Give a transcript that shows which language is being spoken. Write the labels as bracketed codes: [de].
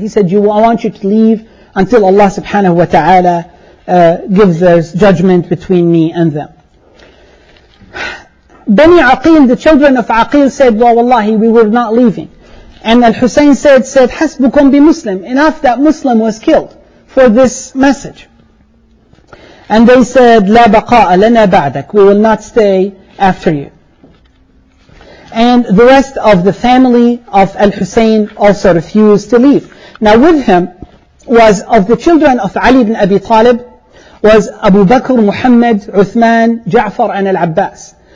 [en] He said, I want you to leave until Allah subhanahu wa ta'ala gives this judgment between me and them. Bani Aqil, the children of Aqil said, wallahi, we were not leaving. And Al-Husayn said, [ar] حَسْبُكُمْ بِمُسْلِمْ. [en] Enough that Muslim was killed for this message. And they said, [ar] لَا بَقَاءَ لَنَا بَعْدَكَ. [en] We will not stay after you. And the rest of the family of Al-Husayn also refused to leave. Now with him was, of the children of Ali ibn Abi Talib, was Abu Bakr, Muhammad, Uthman, Ja'far, and Al-Abbas.